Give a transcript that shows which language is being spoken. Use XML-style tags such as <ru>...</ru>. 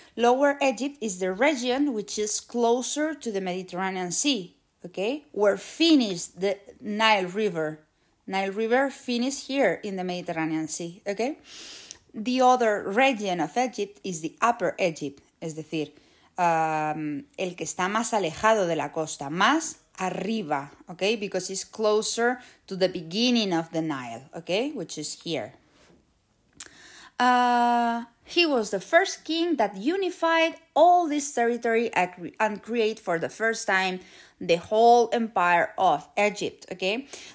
<en>Lower Egypt is the region which is closer to the Mediterranean Sea, okay? Where finishes the Nile River. Nile River finishes here in the Mediterranean Sea, okay? The other region of Egypt is the Upper Egypt,</en> <es>es decir, el que está más alejado de la costa, más arriba, okay?</es> <en>Because it's closer to the beginning of the Nile, okay? Which is here. He was the first king that unified all this territory and create for the first time the whole empire of Egypt, okay?</en>